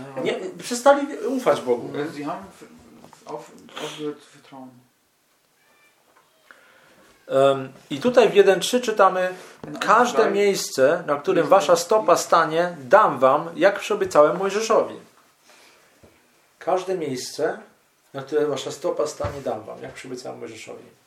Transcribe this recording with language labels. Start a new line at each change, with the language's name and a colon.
Polish: Nie, przestali ufać Bogu.
German: Sie haben aufgehört zu vertrauen.
Polish: I tutaj w 1:3 czytamy: każde miejsce, na którym wasza stopa stanie, dam wam, jak przyobiecałem Mojżeszowi. Każde miejsce, na które wasza stopa stanie, dam wam, jak przyobiecałem Mojżeszowi.